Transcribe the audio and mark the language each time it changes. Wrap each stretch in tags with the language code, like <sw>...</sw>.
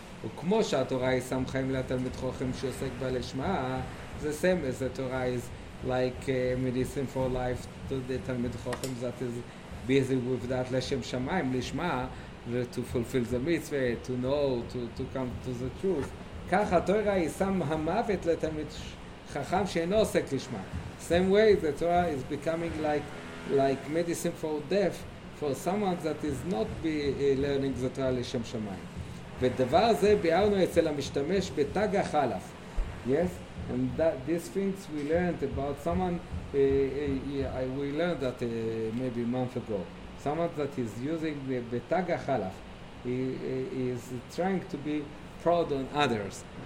<he>וכמו שהתורה היא סם חיים לתלמיד חוכם שעוסק בלשמה,</he> <en>the same as the Torah is like medicine for life to the תלמיד חוכם that is busy with that לשם שמיים, לשמה, to fulfill the mitzvah, to know, to come to the truth.</en> <he>כך התורה היא סם המוות לתלמיד חכם שאינו עוסק לשמה.</he> <en>Same way, the Torah is becoming like medicine for death, for someone that is not learning the Torah לשם שמיים.</en> <he>ודבר הזה ביארנו אצל המשתמש בתג החלף.</he> <en>Yes? And these things we learned about someone, we learned that maybe a month ago. Someone that is using the Taga Chalaf, he is trying to be proud on others.</en>